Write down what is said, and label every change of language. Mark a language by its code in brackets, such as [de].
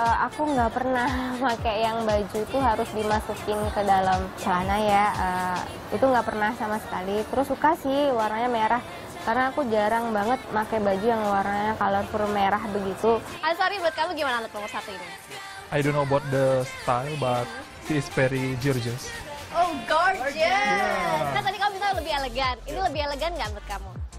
[id] Aku nggak pernah pakai yang baju itu harus dimasukin ke dalam celana ya. Itu nggak pernah sama sekali. Terus suka sih warnanya merah. Karena aku jarang banget pakai baju yang warnanya colorful merah begitu. Asari, buat kamu gimana look nomor satu ini? [en] I don't know about the style, but it's very gorgeous. Oh, gorgeous! [id] Yeah. Kan tadi kamu bilang lebih elegan. Ini lebih elegan nggak menurut kamu?